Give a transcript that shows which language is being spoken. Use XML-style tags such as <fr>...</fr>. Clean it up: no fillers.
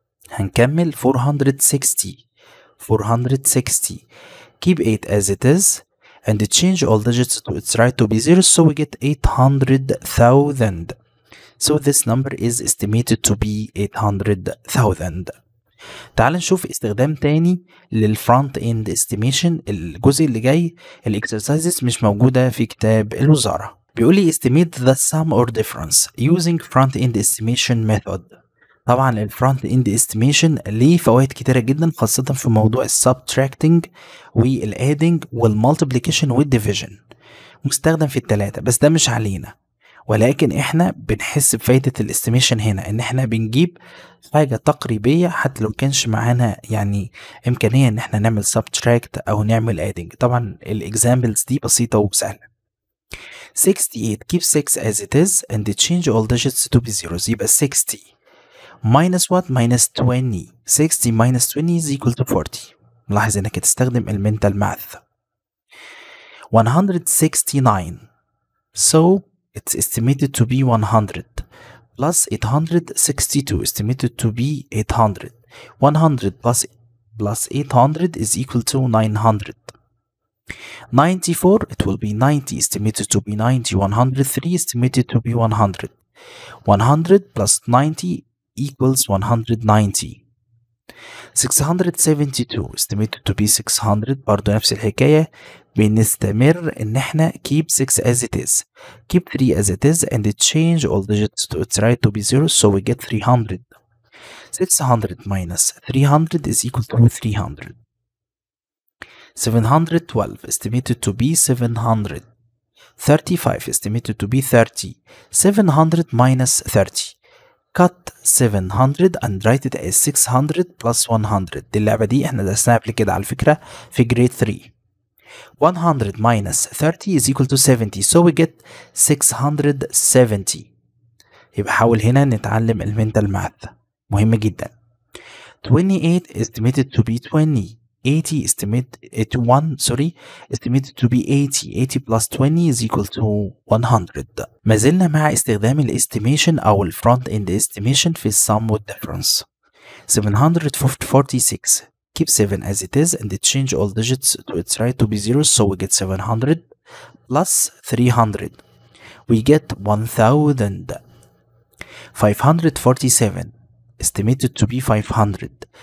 <ar>هنكمل 460. 460.</ar> <en>Keep 8 as it is. And change all digits to its right to be 0. So we get 800,000. So this number is estimated to be 800,000.</en> <ar>تعال نشوف استخدام تاني للفرونت اند استيميشن الجزء اللي جاي الاكسرسايزز مش موجوده في كتاب الوزاره. بيقول لي</ar> <en>estimate the sum or difference using front end estimation method.</en> <ar>طبعا الفرونت اند استيميشن ليه فوائد كتيره جدا خاصه في موضوع السبتراكتنج والادنج والمالتيبليكيشن والديفيجن. مستخدم في الثلاثه بس ده مش علينا. ولكن احنا بنحس بفايدة الاستيميشن هنا ان احنا بنجيب حاجة تقريبية حتى لو كانش معانا يعني امكانية ان احنا نعمل سبتراكت او نعمل ادنج طبعا الاكزامبلز دي بسيطة وسهلة 68</ar> <en>keep 6 as it is and change all digits to be zeros</en> <ar>يبقى</ar> <en>60 minus what minus 20 60 minus 20 is equal to 40</en> <ar>ملاحظ انك تستخدم المنتال ماث</ar> <en>169. So it's estimated to be 100 plus 862, estimated to be 800. 100 plus 800 is equal to 900. 94, it will be 90, estimated to be 90. 103, estimated to be 100. 100 plus 90 equals 190. 672 estimated to be 600.</en> <ar>برضو نفس الحكاية, بنستمر ان احنا</ar> <en>keep 6 as it is, keep 3 as it is and change all digits to its right to be 0, so we get 300. 600 minus 300 is equal to 300. 712 estimated to be 700. 35 estimated to be 30. 700 minus 30, cut 700 and write it as 600 plus 100.</en> <ar>دي اللعبة دي احنا درسناها قبل كده على فكرة في grade 3.</ar> <en>100 minus 30 is equal to 70, so we get 670.</en> <ar>يبقى حاول هنا نتعلم المنتال ماث, مهم جدا.</ar> <en>28 estimated to be 20. 80 estimated to 1, sorry, estimated to be 80. 80 plus 20 is equal to 100.</en> <ar>ما زلنا مع استخدام الاستيميشن او الفرونت اند استيميشن في السم والديفرنس.</ar> <en>746, keep 7 as it is and change all digits to its right to be 0, so we get 700 plus 300, we get 1000. 547 estimated to be 500.</en>